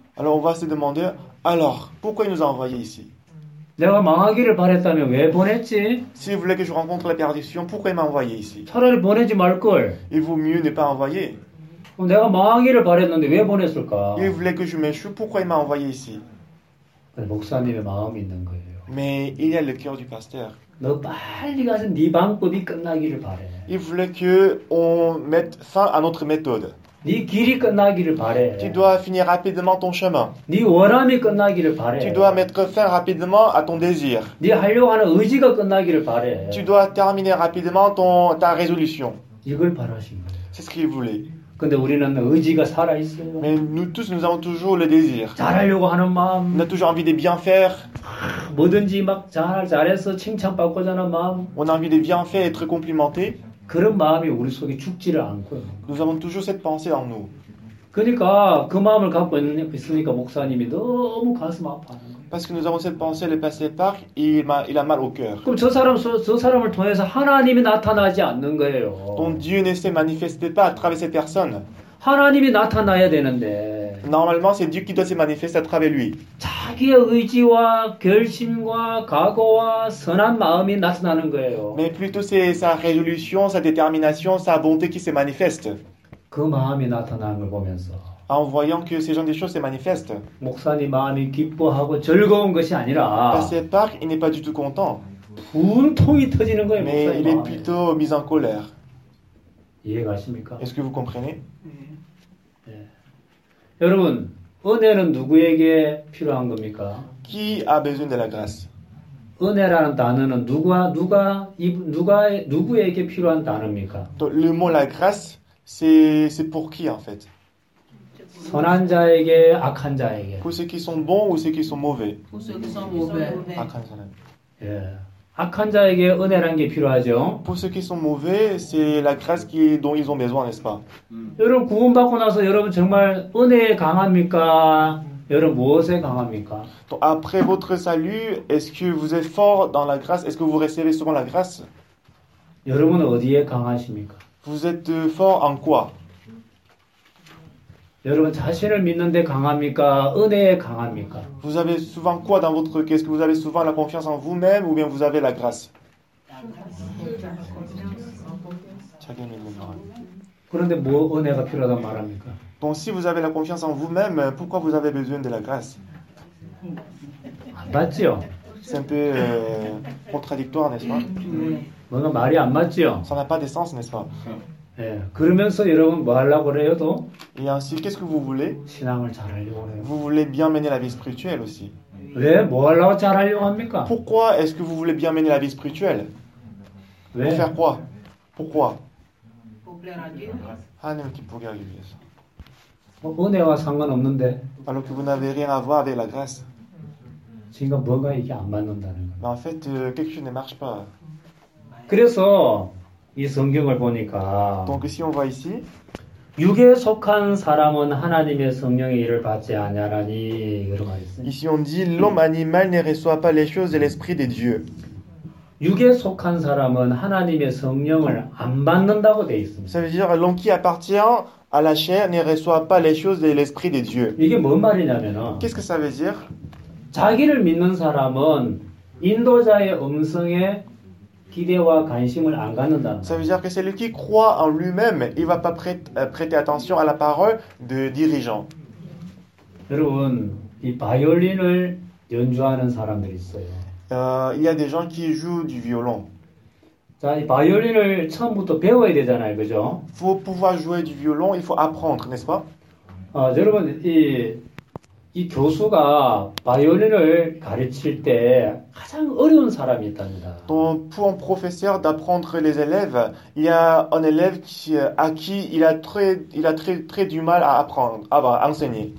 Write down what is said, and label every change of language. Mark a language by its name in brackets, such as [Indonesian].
[French] Alors on va se demander, alors pourquoi il nous a envoyé ici? [Korean] 내가 망하기를 바랬다면 왜 보냈지? [French] Si il voulait que je rencontre la perdition, pourquoi il m'a envoyé ici? [Korean] 차라리 보내지 말걸. [French] Il vaut mieux ne pas envoyer. [Korean] 내가 망하기를 바랬는데 왜 보냈을까? [French] Il voulait que je m'échoue, pourquoi il m'a envoyé ici? [Korean] 목사님의 마음이 있는 거예요. [French] Mais il y a le cœur du pasteur. [Korean] 너 빨리 가서 네 방법이 끝나기를 바래. [French] Il voulait qu'on mette fin à notre méthode. [Korean] 네 길이 끝나기를 바래. [French] Tu dois finir rapidement ton chemin. [Korean] 네 원함이 끝나기를 바래. [French] Tu dois mettre fin rapidement à ton désir. [Korean] 네 하려고 하는 의지가 끝나기를 바래. [French] Tu dois terminer rapidement ta résolution. [Korean] 이걸 바라신 거예요. [French] C'est ce qu'il voulait. [Korean] 근데 우리는 의지가 살아 있어요. [French] Mais nous tous, nous avons toujours le désir. [Korean] 잘하려고 하는 마음. [French] On a toujours envie de bien faire. [Korean] 뭐든지 막 잘해서 칭찬받고자 하는 마음. [French] On a envie de bien faire, être complimenté. [Korean] 그런 마음이 우리 속에 죽지를 않고요. [French] Nous avons toujours cette pensée en nous. [Korean] 그러니까 그 마음을 갖고 있으니까 목사님이 너무 가슴 아파요. [French] Parce que nous avons cette pensée, le passé part, il a mal au cœur. [Korean] 그럼 저 사람을 통해서 하나님이 나타나지 않는 거예요. [French] Donc Dieu ne se manifeste pas à travers cette personne. [Korean] 하나님이 나타나야 되는데. [French] Normalement, c'est Dieu qui doit se manifester à travers lui. [Korean] 자기의 의지와 결심과 각오와 선한 마음이 나타나는 거예요. [French] Mais plutôt c'est sa résolution, sa détermination, sa bonté qui se manifeste. [Korean] 그 마음이 나타나는 걸 보면서. [French] En voyant que ce genre de choses se manifestent. [Korean] 목사님 마음이 기뻐하고 즐거운 것이 아니라. [French] Passé par, il n'est pas du tout content. [Korean] 분통이 터지는 거예요. [French] Mais il est plutôt mis en colère. [Korean] 이해가십니까? [French] Est-ce que vous comprenez? [Korean] 네. 여러분, 은혜는 누구에게 필요한 겁니까? [French] Qui a besoin de la grâce? [Korean] 은혜라는 단어는 누구에게 필요한 단어입니까? [French] Le mot la grâce, c'est pour qui en fait? [Korean] 선한 자에게 악한 자에게. [French] Pour ceux qui sont bons ou ceux qui sont mauvais. Pour ceux qui sont mauvais. [Korean] 악한 사람. 예. 악한 자에게 은혜란 게 필요하죠. [French] Pour ceux qui sont mauvais, c'est la grâce dont ils ont besoin, n'est-ce pas? [Korean] 여러분 구원받고 나서 여러분 정말 은혜에 강합니까? 여러분 무엇에 강합니까? [French] Donc après votre salut, est-ce que vous êtes fort dans la grâce? Est-ce que vous recevez souvent la grâce? [Korean] 여러분은 어디에 강하십니까? [French] Vous êtes fort en quoi? [Korean] 여러분 자신을 믿는데 강합니까? 은혜에 강합니까? [French] Vous avez souvent quoi dans votre cœur? Est-ce que vous avez souvent la confiance en vous-même ou bien vous avez la grâce? [Korean] 그런데 뭐 은혜가 필요하단 말합니까? [French] Donc si vous avez la confiance en vous-même, pourquoi vous avez besoin de la grâce? [Korean] 맞지요. [French] C'est un peu contradictoire, n'est-ce pas? [Korean] 뭔가 말이 안 맞지요. [French] Ça n'a pas de sens, n'est-ce pas? [Korean] 예, 그러면서 여러분 뭐 하려고 그래요, 또? [French] Et ainsi, qu'est-ce que vous voulez? [Korean] 신앙을 잘하려고 그래요. [French] Vous voulez bien mener la vie spirituelle aussi. [Korean] 왜 뭐 하려고 잘하려고 합니까? [French] Pourquoi est-ce que vous voulez bien mener la vie spirituelle? [Korean] 왜? [French] Pour faire quoi? Pourquoi? Pour plaire à Dieu. [Korean] 하나님께 보게 하기 위해서. 은혜와 상관없는데. [French] Alors que vous n'avez rien à voir avec la grâce. [Korean] 지금 뭐가 이게 안 맞는다는 거예요. [French] En fait, quelque chose ne marche pas. [Korean] 그래서 이 성경을 보니까 [French] Donc, si on voit ici, [Korean] 육에 속한 사람은 하나님의 성령의 일을 받지 아니하라니 이런 말이 있어요. [French] Ici on dit l'homme animal ne reçoit pas les choses de l'esprit de Dieu. [Korean] 육에 속한 사람은 하나님의 성령을 안 받는다고 돼 있습니다. [French] Ça veut dire l'homme qui appartient à la chair ne reçoit pas les choses de l'esprit de Dieu. [Korean] 이게 뭔 말이냐면 [French] Qu'est-ce que ça veut dire? [Korean] 자기를 믿는 사람은 인도자의 음성에 기대와 관심을 안 갖는다는. [French] Ça veut dire que celui qui croit en lui-même, il va pas prêter attention à la parole de dirigeant. [Korean] 여러분, 이 바이올린을 연주하는 사람들이 있어요. [French] Il y a des gens qui jouent du violon. [Korean] 자, 이 바이올린을 처음부터 배워야 되잖아요, 그죠? [French] Pour pouvoir jouer du violon, il faut apprendre, n'est-ce pas? [Korean] 아, 여러분, 이 교수가 바이올린을 가르칠 때 가장 어려운 사람이 있답니다. [French] Donc pour un professeur d'apprendre les élèves, il y a un élève qui, à qui il a très très du mal à apprendre, à enseigner.